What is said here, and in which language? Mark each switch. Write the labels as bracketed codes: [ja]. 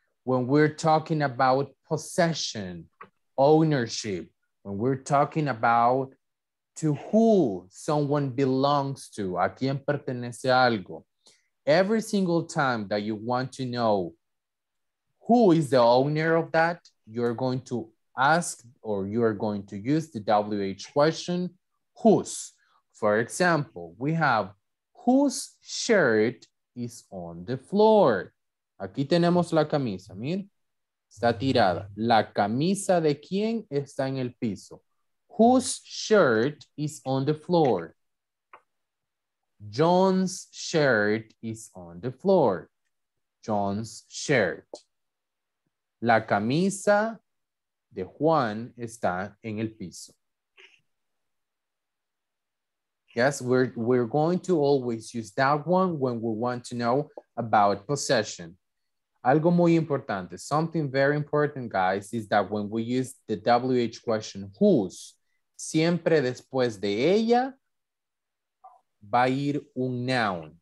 [en] When we're talking about possession, ownership, when we're talking about to who someone belongs to, [es] a quien pertenece algo, [en] every single time that you want to know who is the owner of that, you're going to ask or you're going to use the WH question, whose. For example, we have, whose shirt is on the floor? [es] Aquí tenemos la camisa, miren. Está tirada. ¿La camisa de quién está en el piso? [en] Whose shirt is on the floor? John's shirt is on the floor. John's shirt. [es] La camisa de Juan está en el piso. [en] Yes, we're going to always use that one when we want to know about possession. [es] Algo muy importante, [en] something very important, guys, is that when we use the WH question, whose, [es] siempre después de ella va a ir [en] un noun.